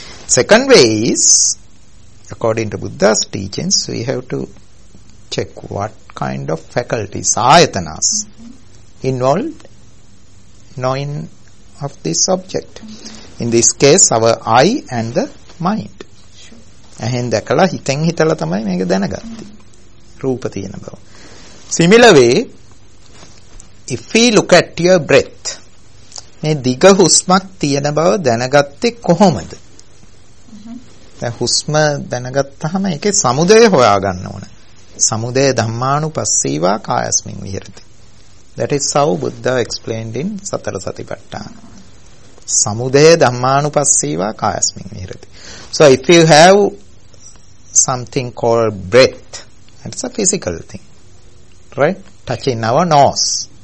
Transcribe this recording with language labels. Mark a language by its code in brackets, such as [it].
[en] Second way is, according to Buddha's teachings, we have to check what kind of faculties, ayatanas, involved knowing of this object. In this case, our eye and the mind. [si] ඇහෙන් දැකලා හිතෙන් හිතලා තමයි මේක දැනගත්තේ. රූප තියෙන බව. [en] Similar way, if we look at your breath, [si] මේ දිග හුස්මක් තියෙන බව දැනගත්තේ කොහොමද? දැන් හුස්ම දැනගත්තාම ඒකේ සමුදය හොයාගන්න ඕන. [pi] සමුදය ධම්මානුපස්සීවා කායස්මින් විහෙරති. [en] That is how Buddha explained in Satara Satipatthana. [pi] Samudaya dhammanupassiva kayasmin vihirati. [en] So if you have something called breath, it's a physical thing, right? Touching our nose.